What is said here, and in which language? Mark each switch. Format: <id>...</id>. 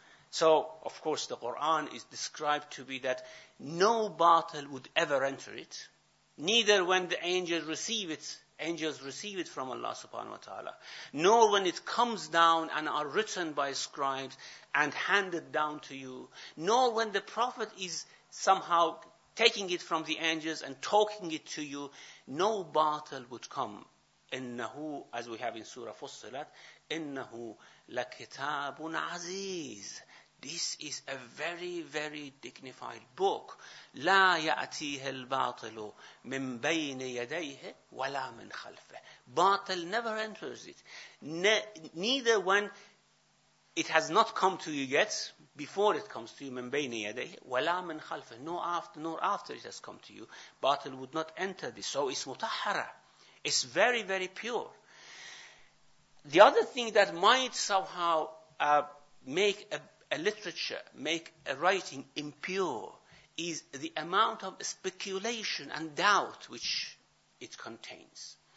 <en>So, of course, the Quran is described to be that no batil would ever enter it, neither when the angels receive it, angels receive it from Allah subhanahu wa ta'ala, nor when it comes down and are written by scribes and handed down to you, nor when the Prophet is somehow taking it from the angels and talking it to you, no batil would come.</en> <ar>إِنَّهُ,</ar> <en>as we have in Surah Fussilat,</en> <ar>إِنَّهُ لَكِتَابٌ عَزِيزٌ.</ar> <en>This is a very, very dignified book.</en> <ar>لا يأتيه الباطل من بين يديه ولا من خلفه.</ar> <en>Batil never enters it. Neither when it has not come to you yet, before it comes to you,</en> <ar>من بين يديه ولا من خلفه.</ar> <en>Nor after it has come to you, batil would not enter this. So it's mutahhara. It's very, very pure. The other thing that might somehow make a literature, make a writing impure, is the amount of speculation and doubt which it contains.</en>